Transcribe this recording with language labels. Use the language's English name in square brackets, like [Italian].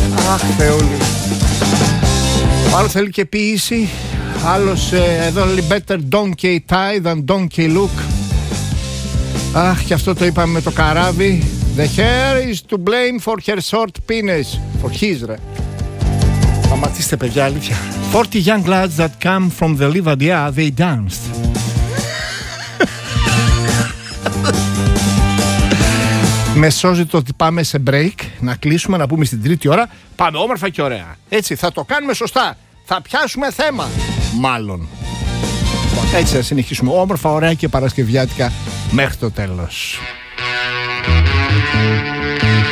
[Greek] Αχ, Θεούλη. Άλλο θέλει και ποιήση. Άλλος εδώ λέει [English] better donkey tie than donkey look. [Greek] Αχ, και αυτό το είπαμε με το καράβι. [English] The hair is to blame for her short penis. For his, ρε. [Greek] Σταματήστε, παιδιά, αλήθεια. [English] 40 young lads that come from the Livadia, they danced. [Greek] Με σώζει το ότι πάμε σε break, να κλείσουμε, να πούμε στην τρίτη ώρα. Πάμε όμορφα και ωραία. Έτσι, θα το κάνουμε σωστά. Θα πιάσουμε θέμα. Μάλλον. Έτσι θα συνεχίσουμε όμορφα, ωραία και παρασκευιάτικα μέχρι το τέλος.